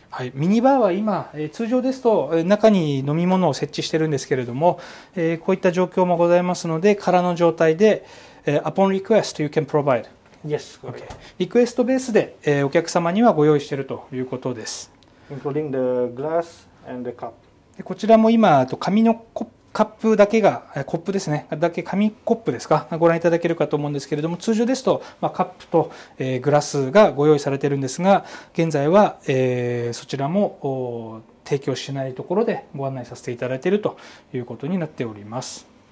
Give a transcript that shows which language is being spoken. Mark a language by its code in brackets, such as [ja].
[ja] はい、ミニバーは今、通常ですと中に飲み物を設置しているんですけれども、こういった状況もございますので、空の状態で、 [en] Upon request, you can provide. Yes. Okay. [ja] リクエストベースで、お客様にはご用意しているということです。 [en] Including the glass and the cup. [ja] で、こちらも今、紙のカップだけが、コップですね、だけ紙コップですか、ご覧いただけるかと思うんですけれども、通常ですと、カップと、グラスがご用意されているんですが、現在は、そちらも提供しないところでご案内させていただいているということになっております。